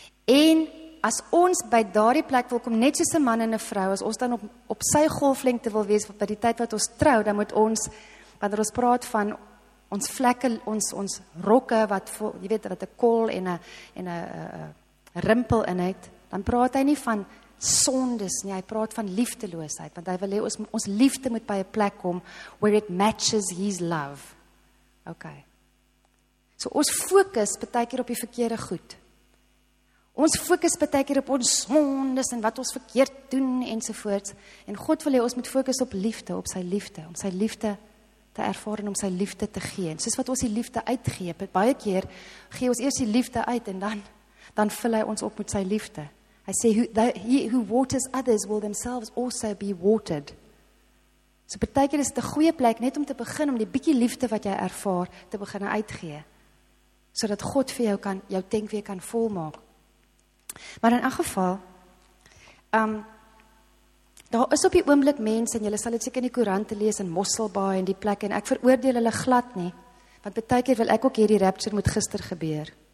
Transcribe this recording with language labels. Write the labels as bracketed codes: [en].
[af] En as ons by daardie plek wil kom, net soos 'n man en 'n vrou, as ons dan op sy golflengte wil wees by die tyd wat ons trou, dan moet ons, wanneer ons praat van ons vlekke, ons rokke, wat vol, jy weet, wat 'n kol en 'n rimpel in het, dan praat hy nie van sondes nie, hy praat van liefdeloosheid, want hy wil hê ons liefde moet by 'n plek kom, [en] where it matches his love. [af] OK. So ons fokus partykeer op die verkeerde goed. Ons fokus partykeer op ons sondes en wat ons verkeerd doen ensovoorts. En God wil hê ons moet fokus op liefde, op sy liefde, om sy liefde te ervaar en om sy liefde te gee. En soos wat ons die liefde uitgee, baie keer gee ons eers die liefde uit en dan vul hy ons op met sy liefde. Hy sê, [en] who waters others will themselves also be watered. [af] So partykeer is dit 'n goeie plek net om te begin om die bietjie liefde wat jy ervaar te begin uitgee. Sodat God vir jou kan jou tank weer kan volmaak. Maar in elk geval daar is op die oomblik mense en julle sal dit seker in die koerante lees in Mosselbaai en die plek en ek veroordeel hulle glad nie, want partykeer wil ek ook hierdie rapture moet gister gebeur.